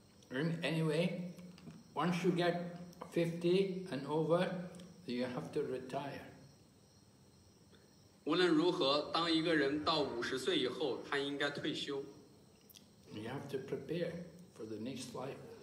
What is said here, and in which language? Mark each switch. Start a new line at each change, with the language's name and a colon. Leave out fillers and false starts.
English: Anyway, once you get 50 and over, you have to retire.
Chinese: 无论如何，当一个人到五十岁以后，他应该退休。
English: You have to prepare for the next life.